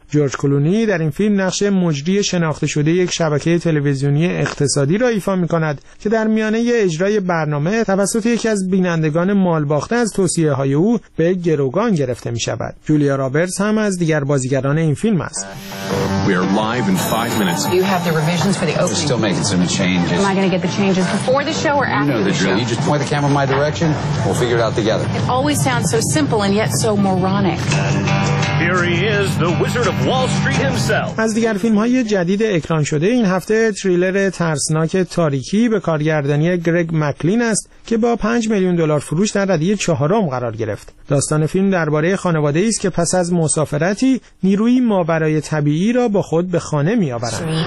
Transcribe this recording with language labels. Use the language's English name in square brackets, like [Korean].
[Persian] جورج کلونی در این فیلم نقش مجری شناخته شده یک شبکه تلویزیونی اقتصادی را ایفا می‌کند که در میانه اجرای برنامه توسط یکی از بینندگان مالباخته از توصیه‌های او به گروگان گرفته می‌شود. جولیا رابرتس هم از دیگر بازیگران این فیلم است. [English] We are live in 5 minutes. You have the revisions for the opening. We're still making some changes. Am I going to get the changes before the show or after the show? You just point the camera my direction. We'll figure it out together. It always sounds so simple and yet so moronic. Here he is, the Wizard of Wall Street himself. [Persian] از دیگر فیلم‌های جدید اکران شده این هفته، تریلر ترسناک تاریکی به کارگردانی گرگ مکلین است که با 5 میلیون دلار فروش در رده چهارم قرار گرفت. داستان فیلم درباره خانواده ای است که پس از مسافرتی نیروی ماورای طبیعی را با خود به خانه می آورند.